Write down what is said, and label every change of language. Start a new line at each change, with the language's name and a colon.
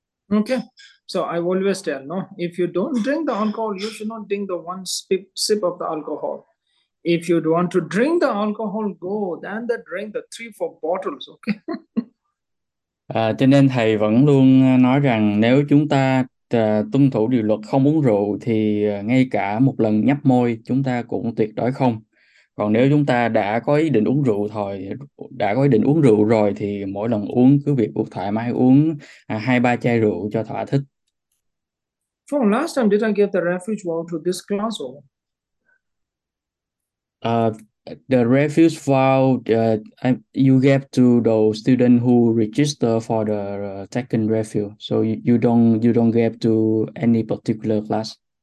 English: Okay, so I always tell, no, if you don't drink the alcohol, you should not drink the one sip of the alcohol. If you want to drink the alcohol, go, then the drink the 3-4 bottles, okay?
Vietnamese: Cho nên thầy vẫn luôn nói rằng nếu chúng ta tuân thủ điều luật không uống rượu thì ngay cả một lần nhấp môi chúng ta cũng tuyệt đối không. Còn nếu chúng ta đã có ý định uống rượu thôi, đã có ý định uống rượu rồi thì mỗi lần uống cứ việc uống thoải mái uống 2-3 chai rượu cho thỏa thích.
English: From last time, did I give the refuge vow to this class or? The refuge vow you gave to the student who register for the second refuge. So you don't give to any particular class.